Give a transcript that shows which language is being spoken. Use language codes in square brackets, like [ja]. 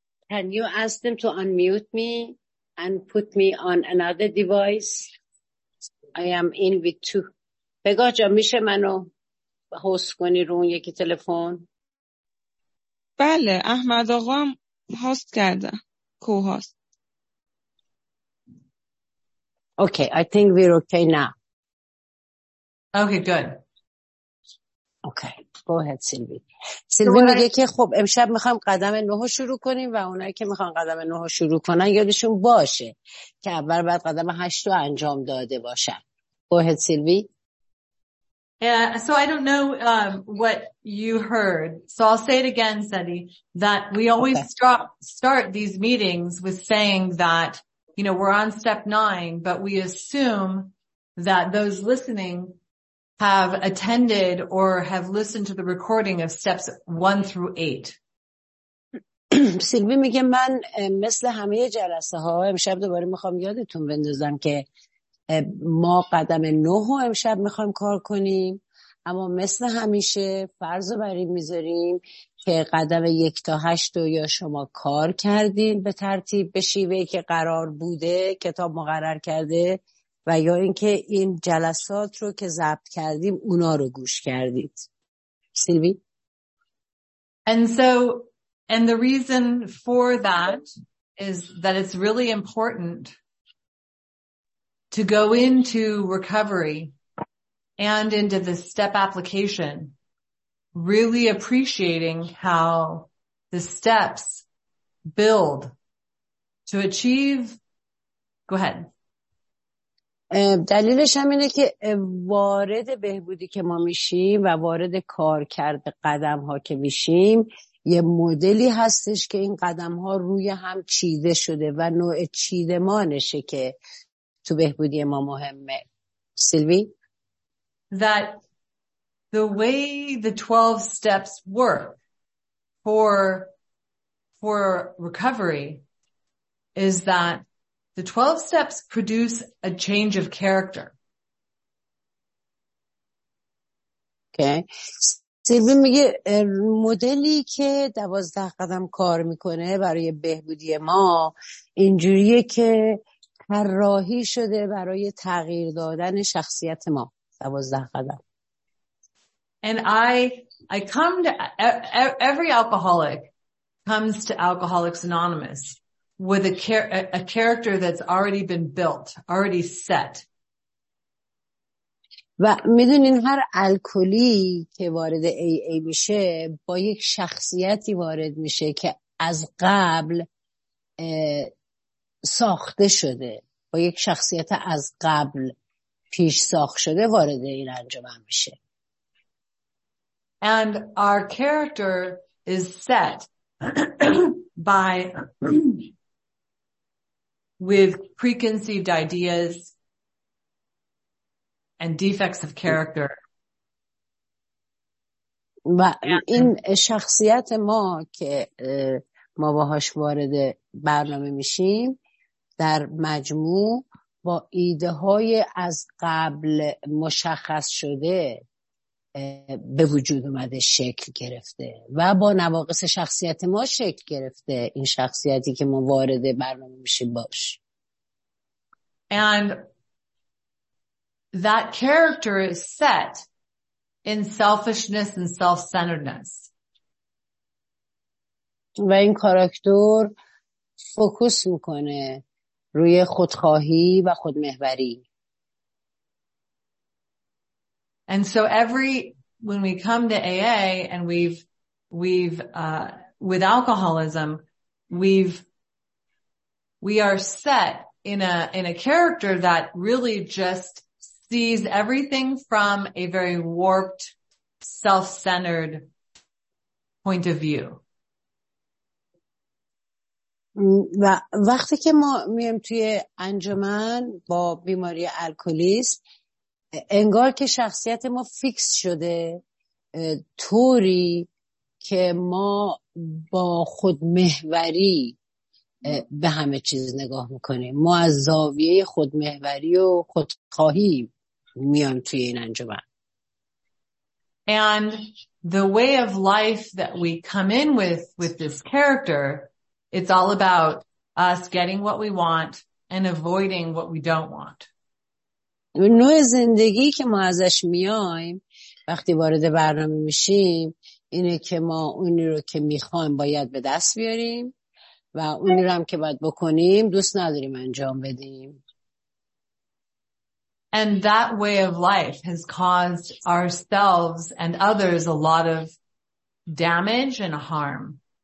[en] Can you ask them to unmute me and put me on another device? I am in with two. [fa] بگاه جا میشه منو هست کنی رو اون یکی تلفن؟ بله، احمد آقا هم هست کرده. کو هست. [en] Okay, I think we're okay now. Okay, good. Okay, go ahead Sylvie. [fa] سیلوی میگه که خب امشب میخوام قدم 9 شروع کنیم و اونایی که میخوان قدم 9 شروع کنن یادشون باشه که اول باید قدم 8 رو انجام داده باشن. [en] Go ahead Sylvie. So I don't know what you heard. So I'll say it again, Sedi, that we always start these meetings with saying that, you know, we're on step 9, but we assume that those listening have attended or have listened to the recording of steps 1 through 8. [fa] سیلوی میگه من مثل همه جلسه ها امشب دوباره میخوام یادتون بندازم که ما قدم 9 رو امشب میخوام کار کنیم، اما مثل همیشه فرض رو بر این میذاریم که قدم 1 تا 8 رو یا شما کار کردین به ترتیب به شیوهی که قرار بوده کتاب مقرر کرده و یا اینکه این جلسات رو که ضبط کردیم اونا رو گوش کردید. سیلوی. [en] And the reason for that is that it's really important to go into recovery and into the step application really appreciating how the steps build to achieve. Go ahead. [fa] دلیلش هم اینه که وارد بهبودی که ما میشیم و وارد کار کرده قدم ها که میشیم یه مدلی هستش که این قدم ها روی هم چیده شده و نوع چیدمانشه که تو بهبودی ما مهمه. سیلوی. [en] That the way the 12 steps work for recovery is that the 12 steps produce a change of character. Okay. [fa] سیلوی میگه مدلی که 12 قدم کار میکنه برای بهبودی ما اینجوریه که طراحی شده برای تغییر دادن شخصیت ما. 12 قدم. [en] And I I come to every alcoholic comes to Alcoholics Anonymous with a character that's already been built, already set. [fa] و میدونین هر الکلی که وارد AA میشه با یک شخصیتی وارد میشه که از قبل ساخته شده، با یک شخصیت از قبل پیش ساخت شده وارد این انجمن میشه. [en] And our character is set by with preconceived ideas and defects of character. [fa] و این شخصیت ما که ما باهاش وارد برنامه میشیم در مجموع با ایده های از قبل مشخص شده به وجود اومده، شکل گرفته و با نواقص شخصیت ما شکل گرفته این شخصیتی که ما وارد برنامه میشیم باش. [en] And that character is set in selfishness and self-centeredness. [fa] و این کاراکتر فوکوس میکنه روی خودخواهی و خودمحوری. [en] And so when we come to AA and with alcoholism, we are set in a character that really just sees everything from a very warped, self-centered point of view. [fa] و وقتی که ما میایم توی انجمن با بیماری الکلیسم، انگار که شخصیت ما فیکس شده طوری که ما با خودمحوری به همه چیز نگاه میکنیم. ما از زاویه خودمحوری و خودخواهی میایم توی این انجمن. [en] And the way of life that we come in with this character, it's all about us getting what we want and avoiding what we don't want. [fa] نوع زندگی که ما ازش میایم وقتی وارد برنامه میشیم اینه که ما اونی رو که میخوایم باید به دست بیاریم و اونی رو هم که باید بکنیم دوست نداریم انجام بدیم. [en] And that way of life has caused ourselves and others a lot of damage and harm.